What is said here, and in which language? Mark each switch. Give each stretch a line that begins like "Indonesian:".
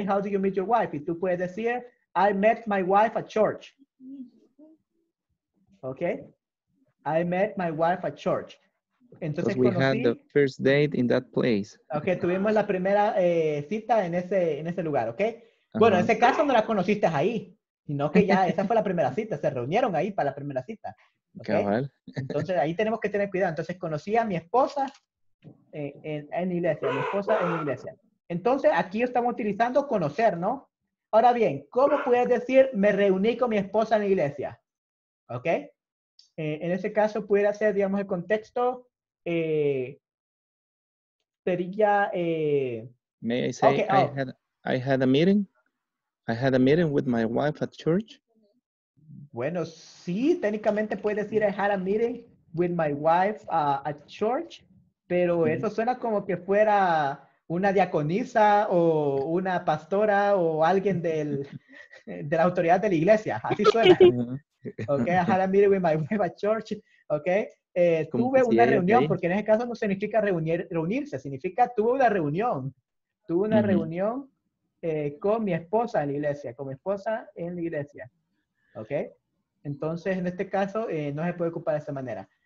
English: How did you meet your wife?
Spanish: Y tú puedes decir,
English: I met my wife at church. ¿Ok? I met my wife at church. Entonces, we had the first date in that place.
Spanish: Ok, tuvimos la primera cita en ese lugar, ¿ok? Uh-huh. Bueno, en ese caso no la conociste ahí, sino que ya esa fue la primera cita, se reunieron ahí para la primera cita. ¿Okay? Cabal. Entonces, ahí tenemos que tener cuidado. Entonces, conocí a mi esposa en iglesia. Entonces, aquí estamos utilizando conocer, ¿no? Ahora bien, ¿cómo puedes decir me reuní con mi esposa en la iglesia? ¿Ok? En ese caso, pudiera ser, digamos, el contexto. Sería.
English: May I say, okay, I had a meeting. I had a meeting with my wife at church.
Spanish: Bueno, sí, técnicamente puedes decir
English: I had a meeting with my wife at church, pero mm-hmm.
Spanish: eso suena como que fuera una diaconisa o una pastora o alguien de la autoridad de la iglesia. Así suena.
English: Okay, I had a meeting with my wife at church.
Spanish: Okay, tuve una reunión, porque en ese caso no significa reunirse, significa tuve una reunión. Tuve una reunión con mi esposa en la iglesia, Okay, entonces en este caso no se puede ocupar de esa manera.